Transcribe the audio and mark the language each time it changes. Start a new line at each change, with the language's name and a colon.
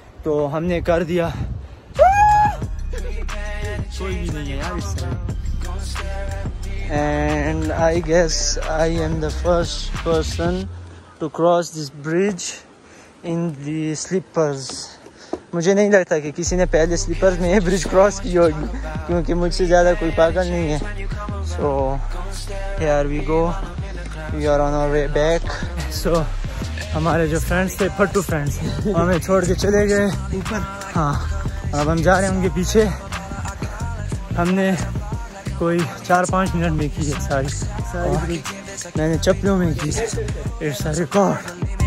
Hindi: तो हमने कर दिया, कोई भी नहीं है यार इस तरह।
English: And I guess I am the first person to cross this bridge in the slippers.
Hindi: मुझे नहीं लगता कि किसी ने पहले slippers में ये ब्रिज क्रॉस की होगी, क्योंकि मुझसे ज़्यादा कोई पागल नहीं है।
English: So here we go, we are on our way back.
Hindi: So हमारे जो friends थे, फट्टू friends, हमें छोड़ के चले गए ऊपर। हाँ, अब हम जा रहे हैं उनके पीछे। हमने कोई 4-5 मिनट में की है सारी, मैंने चप्पलों में की,
English: It's a record.